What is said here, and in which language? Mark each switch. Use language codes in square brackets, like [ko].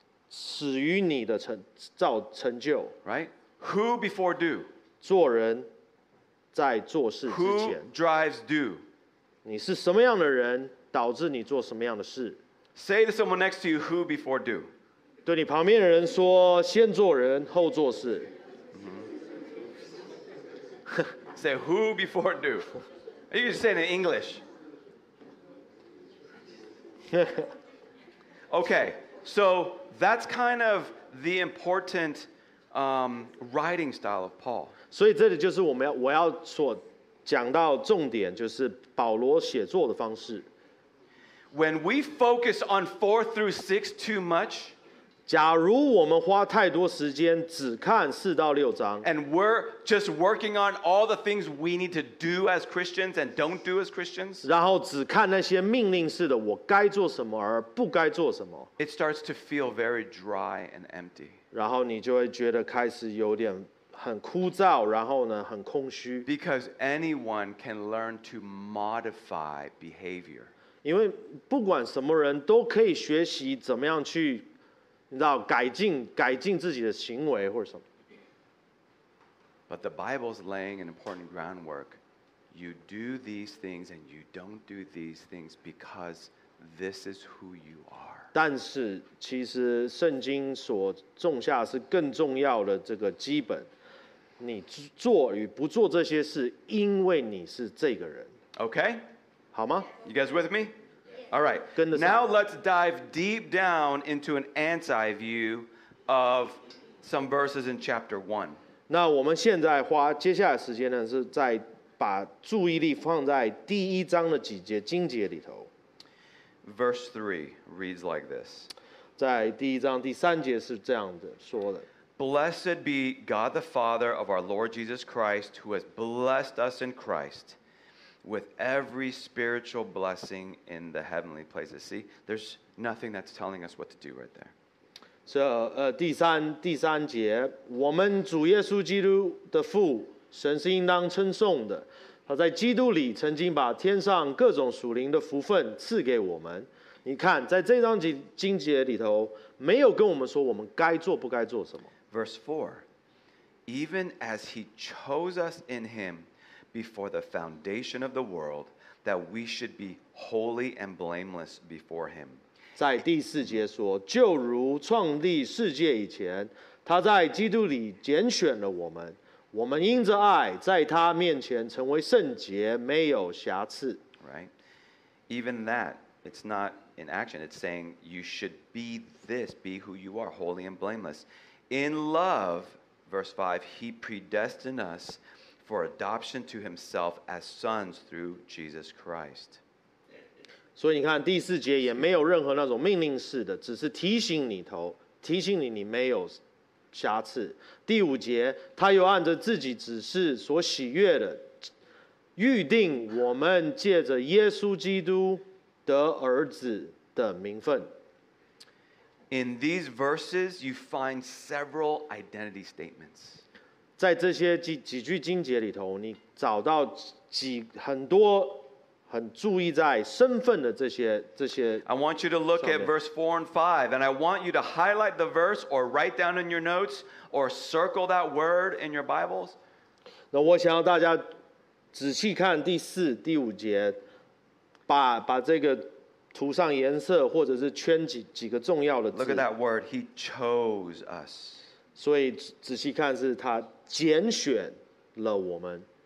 [zh] 他说身份始于你的成就。 [en] Right? Who before do? [zh] 做人在做事之前。 [en] Who drives do? [zh] 你是什么样的人导致你做什么样的事? [en] Say to someone next to you, who before do? [zh] 对你旁边的人说先做人后做事。 [en] Say who before do? You can say it in English. Okay, so that's kind of the important writing style of Paul. [zh] 所以这里就是我要所讲到重点，就是保罗写作的方式。 [en] When we focus on 4 through 6 too much, [zh] 假如我们花太多时间只看四到六章 [en] and we're just working on all the things we need to do as Christians and don't do as Christians, [zh] 然后只看那些命令式的我该做什么而不该做什么 [en] it starts to feel very dry and empty. [zh] 然后你就会觉得开始有点很枯燥，然后呢，很空虚。 [en] Because anyone can learn to modify behavior. [zh] 因为不管什么人都可以学习怎么样去你知道改进自己的行为或者什么。 [en] But the Bible's laying an important groundwork. You do these things and you don't do these things because this is who you are. [zh] 但是其实圣经所种下是更重要的这个基本，你做与不做这些事，因为你是这个人。 [en] Okay, [zh] 好吗 [en] ？You guys with me? All right, now let's dive deep down into an ants-eye view of some verses in chapter 1. [zh] 那我们现在花接下来时间呢，是在把注意力放在第一章的几节经节里头。 [en] Verse 3 reads like this. [zh] 在第一章第三节是这样的说的。 [en] Blessed be God the Father of our Lord Jesus Christ, who has blessed us in Christ. With every spiritual blessing in the heavenly places. See, there's nothing that's telling us what to do right there. So, [zh] 第三节，我们主耶稣基督的父，神是应当称颂的。他在基督里曾经把天上各种属灵的福分赐给我们。你看，在这章经节里头，没有跟我们说我们该做不该做什么。 [en] Verse 4, even as he chose us in him,Before the foundation of the world, that we should be holy and blameless before Him. [zh] 在第四节说，就如创立世界以前，他在基督里拣选了我们，我们因着爱，在他面前成为圣洁，没有瑕疵。 [en] Right. Even that, it's not in action. It's saying you should be this, be who you are, holy and blameless. In love, verse 5, He predestined us. For adoption to himself as sons through Jesus Christ. [zh] 所以你看第四节也没有任何那种命令式的，只是提醒你你没有瑕疵。第五节，他又按着自己指示所喜悦的，预定我们借着耶稣基督得儿子的名分。 [en] In these verses, you find several identity statements. [zh] 在这些 几句经节里头，你找到几很多很注意在身份的这些。 [en] I want you to look at verse 4 and 5, and I want you to highlight the verse or write down in your notes or circle that word in your Bibles. [zh] 那我想要大家仔细看第四、第五节，把这个涂上颜色，或者是圈几个重要的字。 [en] Look at that word. He chose us. [zh] 所以仔细看，是他拣选了我们。